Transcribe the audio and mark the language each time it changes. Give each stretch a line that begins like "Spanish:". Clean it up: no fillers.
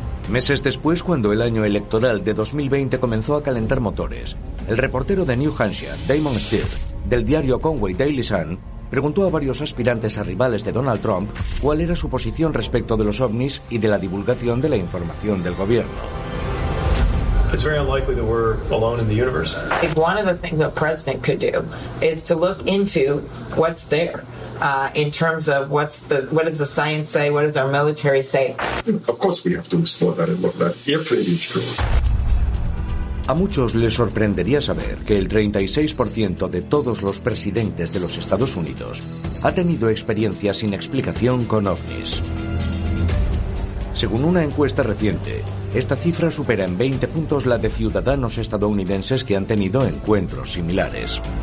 Spanish: Meses después, cuando el año electoral de 2020 comenzó a calentar motores, el reportero de New Hampshire, Damon Steele, del diario Conway Daily Sun, preguntó a varios aspirantes a rivales de Donald Trump cuál era su posición respecto de los ovnis y de la divulgación de la información del gobierno.
English: It's very unlikely that we're alone in the universe. If one of the things a president could do is to look into what's there, in terms of what does the science say, what does our military say. Of course we have to explore that and look at if it is true.
Spanish: A muchos les sorprendería saber que el 36% de todos los presidentes de los Estados Unidos ha tenido experiencias sin explicación con ovnis. Según una encuesta reciente, esta cifra supera en 20 puntos la de ciudadanos estadounidenses que han tenido encuentros similares.